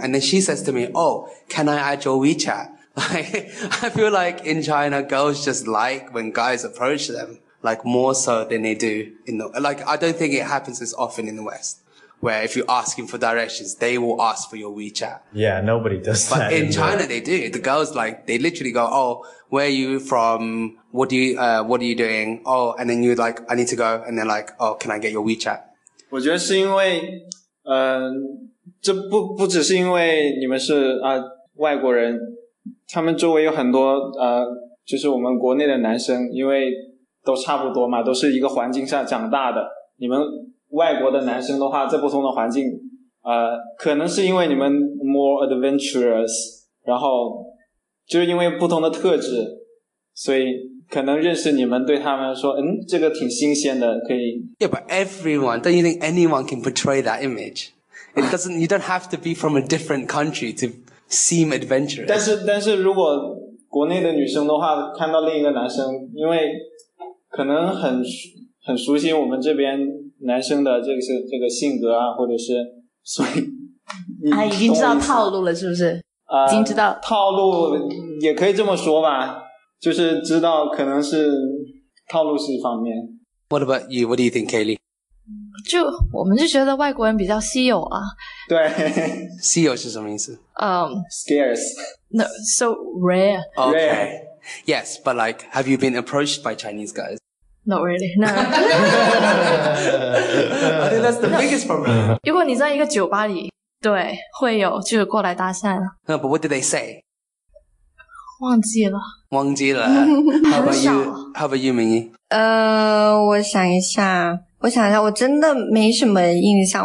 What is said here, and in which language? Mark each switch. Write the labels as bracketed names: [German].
[English] And then she says to me, oh, can I add your WeChat? Like, I feel like in China, girls just like when guys approach them, like more so than they do in the, like, I don't think it happens as often in the West, where if you're asking for directions, they will ask for your WeChat. Yeah, nobody does but that. But in China, they do. The girls, like, they literally go, oh, where are you from? What are you doing? Oh, and then you're like, I need to go. And they're like, oh, can I get your WeChat? [Chinese] 我觉得是因为，这不只是因为你们是啊、外国人，他们周围有很多就是我们国内的男生，因为都差不多嘛，都是一个环境下长大的。你们外国的男生的话，在不同的环境，可能是因为你们 [English] more adventurous， [Chinese] 然后就是因为不同的特质，所以。可能认识你们对他们说嗯这个挺新鲜的可以。 [English] Yeah, but everyone, don't you think anyone can portray that image? It doesn't, you don't have to be from a different country to seem adventurous. [Chinese] 但是如果国内的女生的话看到另一个男生因为可能很熟悉我们这边男生的这个性格啊或者是所以。他已经知道套路了是不是已经知道。套路也可以这么说吧。就是知道可能是套路式方面。 [English] What about you? What do you think, Kaylee? [Chinese] 就我们就觉得外国人比较稀有啊。对。稀有是什么意思？ [English] Scarce. No, so rare. Okay. Rare. Yes, but like, have you been approached by Chinese guys? Not really, no. I think that's the biggest problem. [Chinese] 如果你在一个酒吧里，对，会有就是过来搭讪。 [English] No, but what did they say? [Chinese] 忘记了。忘记了。 [English] How about you? How about you, Mingyi? [Chinese] 我想一下。我想一下我真的没什么印象。